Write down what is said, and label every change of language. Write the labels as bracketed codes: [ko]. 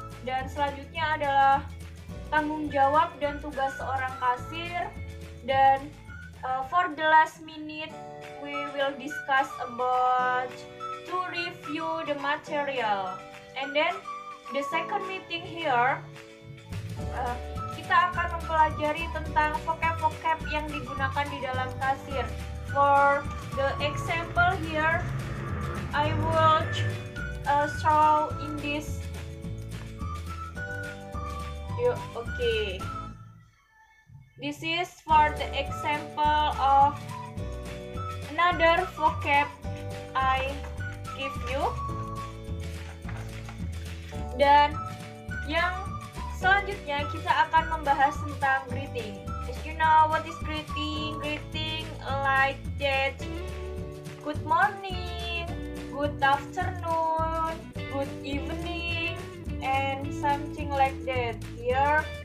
[id] Dan selanjutnya adalah tanggung jawab dan tugas seorang kasir. [en] Dan for the last minute, we will discuss about to review the material. And then, the second meeting here, [id] kita akan mempelajari tentang vocab-vocab yang digunakan di dalam kasir. [en] For the example here, I will show in this. Okay. This is for the example of another vocab I give you. [id] Dan yang selanjutnya kita akan membahas tentang greeting. [en] As you know, what is greeting? Greeting like that. Good morning, good afternoon, good evening, and something like that here.